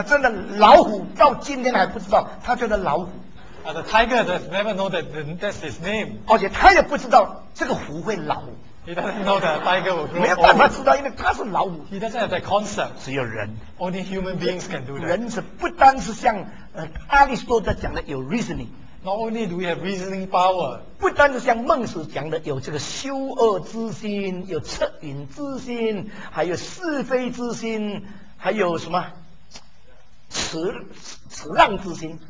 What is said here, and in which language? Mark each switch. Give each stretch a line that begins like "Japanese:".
Chinese: 猫就是猫，因为他从来不晓得自己是猫。真的，老虎到今天还不知道，他觉得老虎。
English: The tiger does never know that that's his name.
Chinese: 而且他也不知道这个虎会老。
English: He doesn't know that tiger will grow.
Chinese: 没有办法知道，因为他是老虎。
English: He doesn't have that concept.
Chinese: 只有人。
English: Only human beings can do that.
Chinese: 人是不单是像 阿里斯多德讲的有 reasoning.
English: Not only do we have reasoning power.
Chinese: 不单是像孟子讲的有这个羞恶之心，有恻隐之心，还有是非之心，还有什么慈浪之心。